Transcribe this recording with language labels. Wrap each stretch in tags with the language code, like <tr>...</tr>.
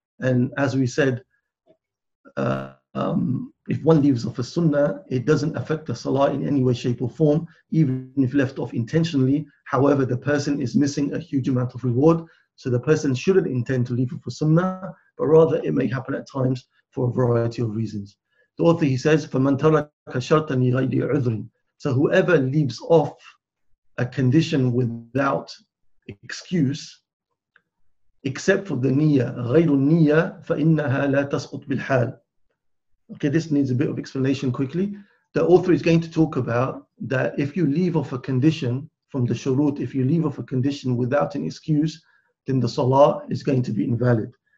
<en>And as we said, if one leaves off a sunnah, it doesn't affect the salah in any way, shape or form, even if left off intentionally. However, the person is missing a huge amount of reward. So the person shouldn't intend to leave off a sunnah, but rather it may happen at times for a variety of reasons. The author, he says,</en> <ar>فَمَنْ تَرَكَ شَرْطًا لِغَيْرِ عُذْرٍ.</ar> <en>So whoever leaves off a condition without excuse, except for the niyyah,</en> <ar>غَيْرُ النِّيَّةَ فَإِنَّهَا لَا تَسْقُطْ بِالْحَالِ.</ar> <en>Okay, this needs a bit of explanation quickly. The author is going to talk about that if you leave off a condition from the shurut, if you leave off a condition without an excuse, then the salah is going to be invalid.</en>